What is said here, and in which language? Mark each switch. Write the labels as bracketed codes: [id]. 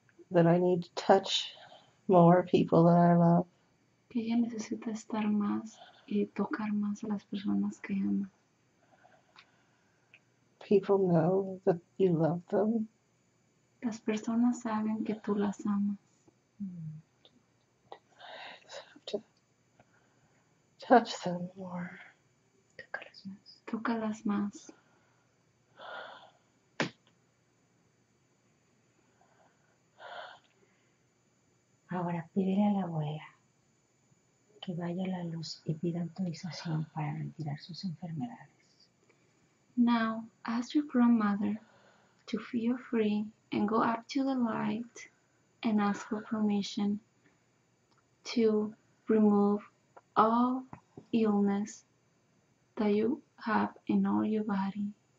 [en] That I need to touch more people that I love. [es] Que ella necesita estar más y tocar más a las personas que ama. [en] People know that you love them. [es] Las personas saben que tú las amas. [en] Touch them more. [es] Tócalas más. Ahora pídele a la abuela que vaya la luz y pida autorización para retirar sus enfermedades. [en] Now, ask your grandmother to feel free and go up to the light and ask for permission to remove all illness that you have in all your body.